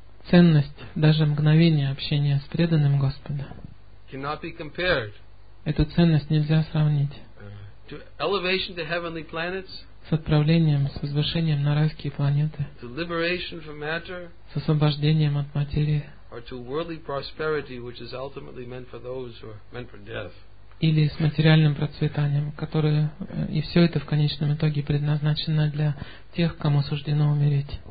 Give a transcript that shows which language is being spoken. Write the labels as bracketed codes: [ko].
[ru] Ценность даже мгновения общения с преданным Господа. [en] Cannot be compared. [ru] Эту ценность нельзя сравнить. [en] To elevation to heavenly planets. [ru] С отправлением, с возвышением на райские планеты. [en] To liberation from matter. [ru] С освобождением от материи. [en] Or to worldly prosperity, which is ultimately meant for those who are meant for death. [ru] Или с материальным процветанием, которое, и все это в конечном итоге предназначено для тех, кому суждено умереть.